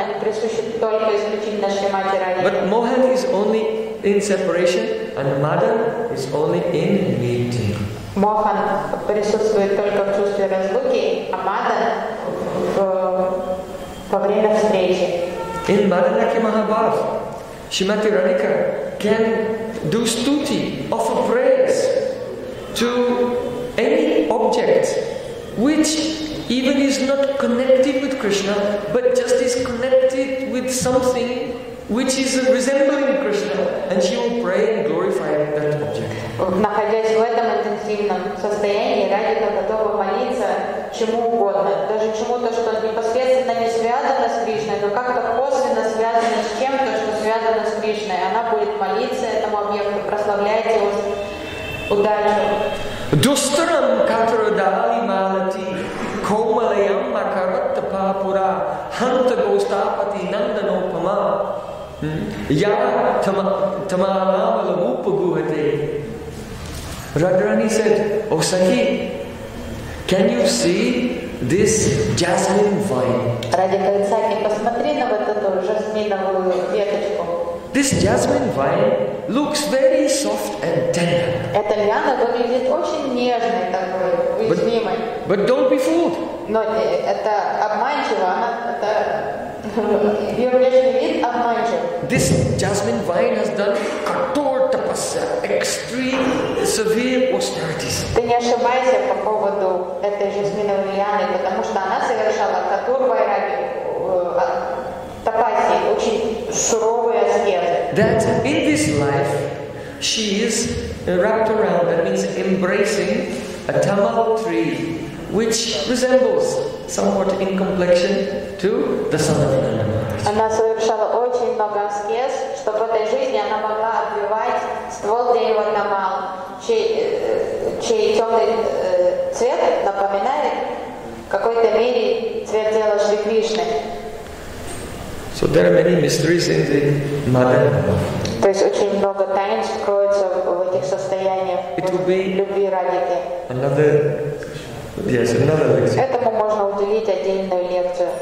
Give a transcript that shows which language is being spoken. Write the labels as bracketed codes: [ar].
[en] But Mohan is only in separation, and Madan is only in meeting. [ru] Mohan присутствует только в чувстве разлуки, а Madan во время встречи. [en] In Madanaki Mahabhava, Srimati Radhika can do stuti, offer praise to any object which even is not connected with Krishna, but just is connected with something which is resembling Krishna, and she will pray and glorify that object. [ru] Находясь в этом интенсивном состоянии, Радика готова молиться чему угодно, даже чему-то, что непосредственно не связано с Кришной, но как-то косвенно связано с чем-то, что связано с Кришной. Она будет молиться этому объекту, прославляйте его удачу. [sa] Дустарам катрадали малати комалям макаратта папура ханта гостапати нанданопама я тамалавалам упагуете. [en] Radharani said, "Oh Sakhi, can you see this jasmine vine?" Radhika said, [ru] "Sakhi, посмотри на вот эту жасминовую веточку." [en] This jasmine vine looks very soft and tender. [ru] Эта лиана выглядит очень нежной такой, уязвимой. [en] But don't be fooled. [ru] Но это обманчиво. Ее внешний вид обманчив. [en] This jasmine vine has done kathor tapasya, extreme severe austerities. [ru] Ты не ошибаешься по поводу этой жасминовой лианы, потому что она совершала kathor vairagya, тапасьи, очень суровые аскезы. [en] That in this life she is wrapped around, that means embracing a tamal tree, which resembles somewhat in complexion to the sun of Nanda Maharaj. [ru] Она совершала очень много аскез, чтобы в этой жизни она могла обвивать ствол дерева тамал, чей темный цвет напоминает в какой-то мере цвет тела Шри Кришны. [en] So there are many mysteries in the Madan. [ru] То есть очень много тайн скроется в этих состояниях. [en] It will be [ru] любви Радхики. [en] Another lecture. [ru] Этому можно уделить отдельную лекцию.